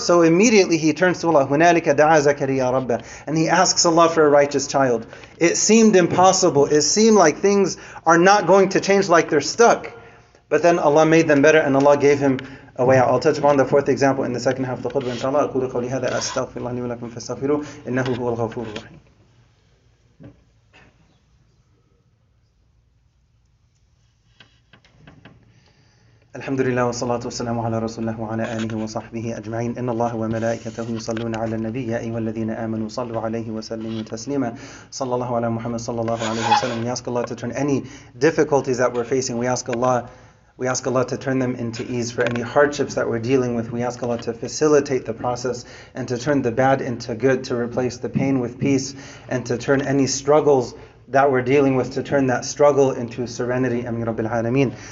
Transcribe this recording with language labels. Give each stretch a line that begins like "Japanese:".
English: So immediately he turns to Allah.
Arabic: هُنَالِكَ دَعَى زَكَرِيَا رَبَّهُ.
English: And he asks Allah for a righteous child. It seemed impossible. It seemed like things are not going to change, like they're stuck. But then Allah made them better and Allah gave him Oh, wait, I'll touch upon the fourth example in the second half of the khutbah, inshallah.
Arabic: أقول قولي هذا أستغفر الله لي ولكم فاستغفروه إنه هو الغفور الرحيم. الحمد لله والصلاة والسلام على رسول الله وعلى آله وصحبه أجمعين. إن الله وملائكته يصلون على النبي، يا أيها الذين آمنوا صلوا عليه وسلموا تسليما. صلى الله على محمد صلى الله عليه وسلم.
English: We ask Allah to turn any difficulties that we're facing. We ask Allah to turn them into ease. For any hardships that we're dealing with, we ask Allah to facilitate the process and to turn the bad into good, to replace the pain with peace, and to turn any struggles that we're dealing with, to turn that struggle into serenity. Amin Rabbil Alameen.